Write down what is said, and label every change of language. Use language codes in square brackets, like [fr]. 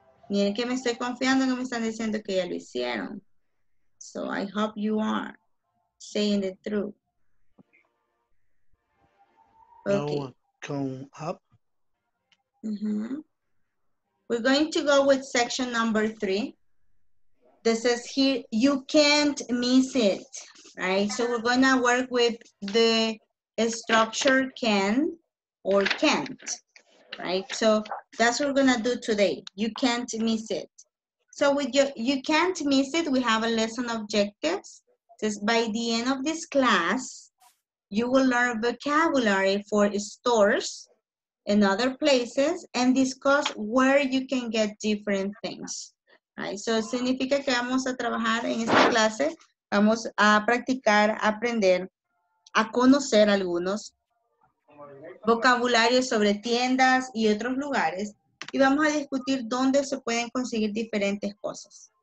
[es] Miren que me estoy confiando, que me están diciendo que ya lo hicieron. [en] So I hope you are saying it through. Okay. Now come up. Mm-hmm. We're going to go with section number three. This is here, you can't miss it, right? So we're gonna work with the structure can or can't, right? So that's what we're gonna do today. You can't miss it. So with you can't miss it, we have a lesson objectives. Just by the end of this class, you will learn vocabulary for stores and other places and discuss where you can get different things. Right? [es] So significa que vamos a trabajar en esta clase, vamos a practicar, aprender, a conocer algunos vocabularios sobre tiendas y otros lugares y vamos a discutir dónde se pueden conseguir diferentes cosas.